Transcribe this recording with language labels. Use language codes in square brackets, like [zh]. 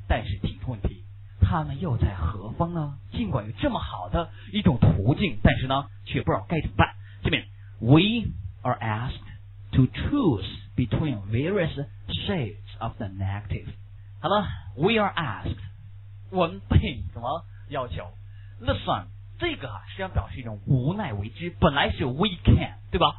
[zh] 但是提出问题，他们又在何方呢？尽管有这么好的一种途径，但是呢却不知道该怎么办。这边 [en] We are asked to choose between various shades of the negative. [zh] 好了 ， [en] We are asked， [zh] 我们被什么要求 ？Listen， 这个实际上表示一种无奈为之。本来是 We can， 对吧？